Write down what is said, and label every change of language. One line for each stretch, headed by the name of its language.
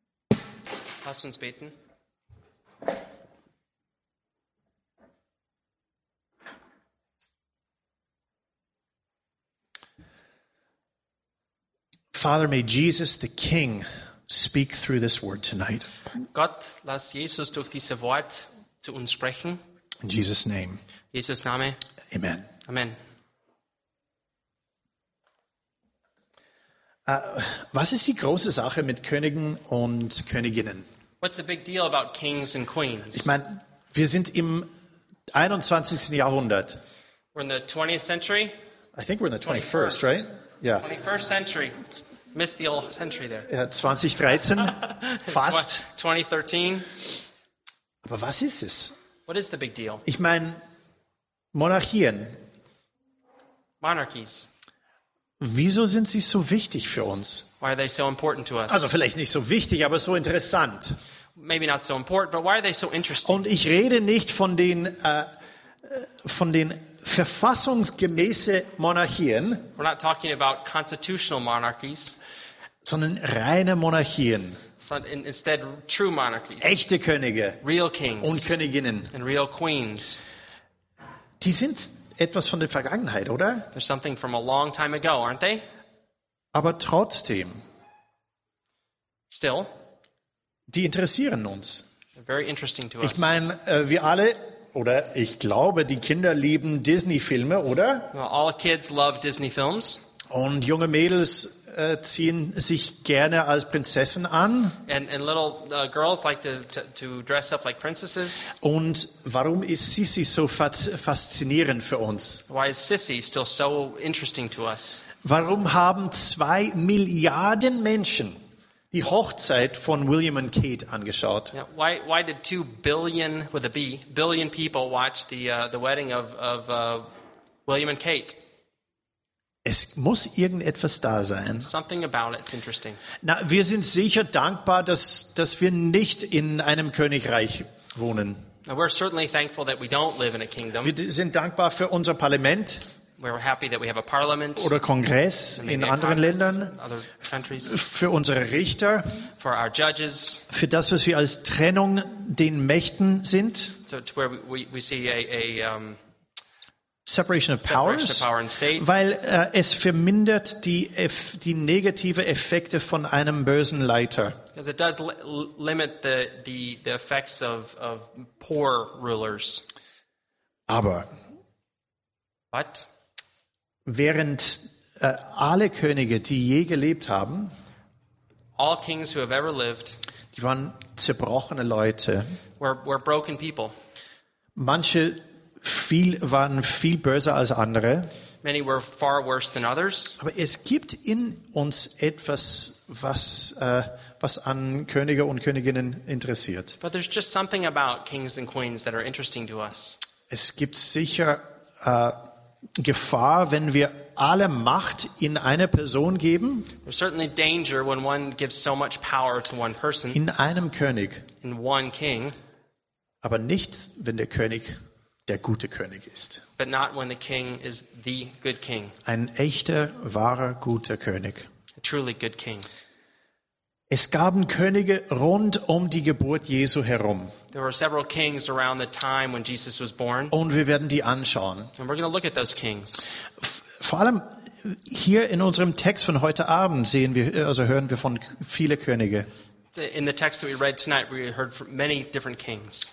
German: Lass uns beten.
English: Father, may Jesus the King speak through this word tonight.
German: Gott, lass Jesus durch dieses Wort zu uns sprechen.
English: In Jesus' name. Jesus' Name. Amen. Amen.
German: Was ist die große Sache mit Königen und Königinnen?
English: What's the big deal about kings and queens?
German: Ich meine, wir sind im 21. Jahrhundert.
English: We're in the 20th century. I think we're in the 21st, right? Yeah. 21st century. Missed the old century there.
German: Ja, 2013, fast. 2013. Aber was ist es?
English: What is the big deal?
German: Ich meine, Monarchien.
English: Monarchies.
German: Wieso sind sie so wichtig für uns?
English: Why are they so important to us?
German: Also vielleicht nicht so wichtig, aber so interessant.
English: Maybe not so important, but why are they so interesting?
German: Und ich rede nicht von den verfassungsgemäßen Monarchien.
English: We're not talking about constitutional monarchies,
German: sondern reine Monarchien.
English: Instead, true monarchies.
German: Echte Könige.
English: Real kings.
German: Und Königinnen.
English: And real queens.
German: Die sind etwas von der Vergangenheit, oder?
English: There's something from a long time ago, aren't they?
German: Aber trotzdem.
English: Still.
German: Die interessieren uns.
English: They're very interesting to us.
German: Ich meine, wir alle, oder ich glaube, die Kinder lieben Disney-Filme, oder?
English: Well, all kids love Disney-Films.
German: Und junge Mädels ziehen sich gerne als Prinzessin an.
English: And little girls like to dress up like princesses.
German: Und warum ist Sissi so faszinierend für uns?
English: Why is Sissy still so interesting to us?
German: Warum haben 2 Milliarden Menschen die Hochzeit von William und Kate angeschaut?
English: Yeah, why did 2 billion with a B billion people watch the wedding of William and Kate?
German: Es muss irgendetwas da sein.
English: Something about it's interesting.
German: Na, wir sind sicher dankbar, dass wir nicht in einem Königreich wohnen.
English: Now, we're certainly thankful that we don't live in a kingdom.
German: Wir sind dankbar für unser Parlament.
English: We're happy that we have a parliament.
German: Oder Kongress in anderen Ländern.
English: Other countries.
German: Für unsere Richter.
English: For our judges.
German: Für das, was wir als Trennung den Mächten sind.
English: So to where we see Separation of powers, separation of power and state.
German: Weil es vermindert die negative Effekte von einem bösen Leiter.
English: Because it does limit the effects of poor rulers.
German: Aber.
English: What?
German: Während alle Könige, die je gelebt haben,
English: all kings who have ever lived,
German: die waren zerbrochene Leute.
English: We're broken people.
German: Manche viel waren viel böser als andere.
English: Many were far worse than others.
German: Aber es gibt in uns etwas, was an Könige und Königinnen interessiert.
English: But there's just something about kings and queens that are interesting to us.
German: Es gibt sicher Gefahr, wenn wir alle Macht in eine Person geben.
English: There's certainly danger when one gives so much power to one person.
German: In einem König.
English: In one king.
German: Aber nicht, wenn der König der gute König ist.
English: But not when the king is the good king.
German: Ein echter, wahrer, guter König.
English: A truly good king.
German: Es gaben Könige rund um die Geburt Jesu herum.
English: There were several kings around the time when Jesus was born.
German: Und wir werden die anschauen.
English: And we're going to look at those kings.
German: Vor allem hier in unserem Text von heute Abend sehen wir, also hören wir von viele Könige.
English: In the text that we read tonight, we heard from many different kings.